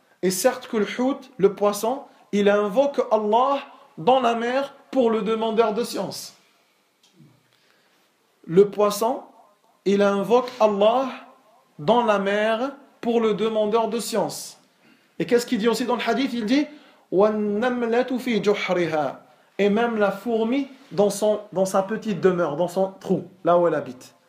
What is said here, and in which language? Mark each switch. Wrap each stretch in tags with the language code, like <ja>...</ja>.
<fr>Et certes que le hout, le poisson, il invoque Allah dans la mer pour le demandeur de science. Le poisson, il invoque Allah dans la mer pour le demandeur de science. Et qu'est-ce qu'il dit aussi dans le hadith? Il dit</fr> <ar>وَالنَّمْلَةُ فِي جُحْرِهَا.</ar> <fr>Et même la fourmi dans sa petite demeure, dans son trou, là où elle habite.</fr>